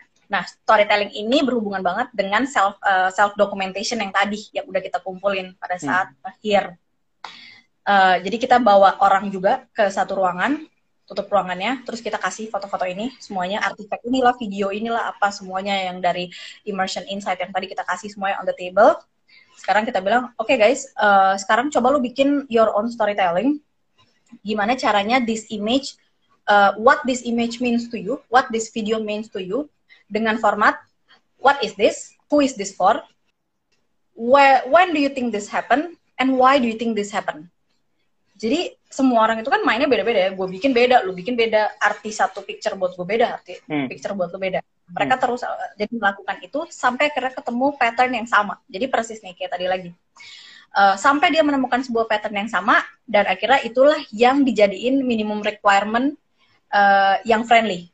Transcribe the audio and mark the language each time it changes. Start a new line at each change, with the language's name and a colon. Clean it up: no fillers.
Indonesian: Nah, storytelling ini berhubungan banget dengan self documentation yang tadi yang udah kita kumpulin pada saat akhir. Jadi kita bawa orang juga ke satu ruangan, tutup ruangannya, terus kita kasih foto-foto ini semuanya, artifact inilah, video inilah, apa semuanya yang dari immersion insight yang tadi kita kasih semuanya
English: on the table.
Indonesian: Sekarang kita bilang,
English: okay guys,
Indonesian: sekarang coba lu bikin
English: your own storytelling.
Indonesian: Gimana caranya
English: this image, what this image means to you, what this video means to you,
Indonesian: dengan format,
English: what is this, who is this for, when do you think this happen, and why do you think this happen?
Indonesian: Jadi semua orang itu kan mainnya beda-beda ya. Gue bikin beda, lu bikin beda. Arti satu picture buat gue beda, arti picture buat lu beda. Mereka terus jadi melakukan itu sampai akhirnya ketemu pattern yang sama. Jadi persis nih kayak tadi lagi. Sampai dia menemukan sebuah pattern yang sama dan akhirnya itulah yang dijadiin minimum requirement yang friendly.